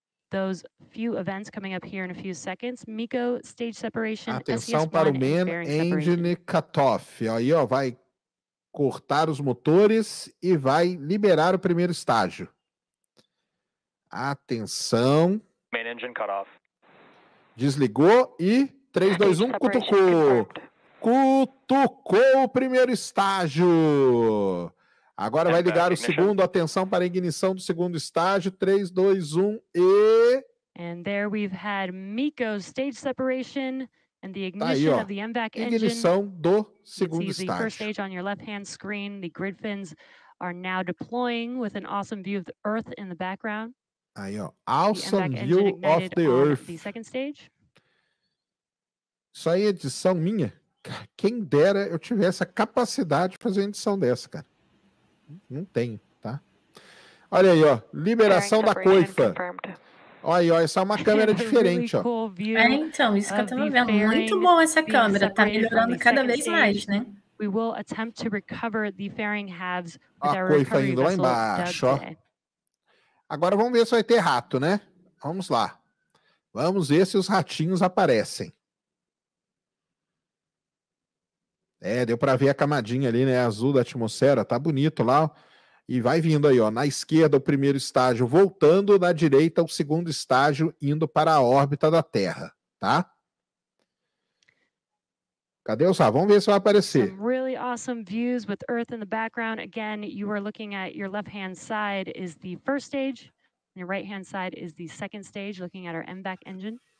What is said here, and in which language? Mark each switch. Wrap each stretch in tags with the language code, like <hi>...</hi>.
<en>Those few events coming up here in a few seconds. Miko, stage separation.</en> <pt>Atenção para o</pt> <en>main engine cutoff.</en> <pt>Aí, ó, vai cortar os motores e vai liberar o primeiro estágio. Atenção.</pt> <en>Main engine cutoff.</en> <pt>Desligou e 3, 2, 1, cutucou. Cutucou o primeiro estágio. Agora vai ligar o segundo, atenção para a ignição do segundo estágio, 3, 2, 1, e...</pt> <en>And there we've had Miko's stage separation and the ignition of the MVAC engine.</en> <pt>Ignição do segundo estágio.</pt> <en>You can see the first stage on your left-hand screen, the grid fins are now deploying with an awesome view of the Earth in the background. Aí, ó, awesome view of the Earth. The second stage.</en> <pt>Isso aí é edição minha? Quem dera eu tivesse a capacidade de fazer uma edição dessa, cara. Não tem, tá? Olha aí, ó. Liberação da coifa. Olha aí, ó. Essa é uma câmera diferente, ó. É, então, isso que eu tava vendo. Muito bom essa câmera. Tá melhorando cada vez mais, né?</pt> <en>We will attempt to recover the fairing halves with our</en> <pt>coifa indo lá embaixo, ó. Agora vamos ver se vai ter rato, né? Vamos lá. Vamos ver se os ratinhos aparecem. É, deu para ver a camadinha ali, né, azul da atmosfera, tá bonito lá, e vai vindo aí, ó, na esquerda o primeiro estágio voltando, na direita o segundo estágio indo para a órbita da Terra, tá? Cadê o Sá? Vamos ver se vai aparecer.</pt> <en>Some really awesome views with Earth in the background. Again, you are looking at your left-hand side is the first stage, and your right-hand side is the second stage, looking at our MVAC engine.</en>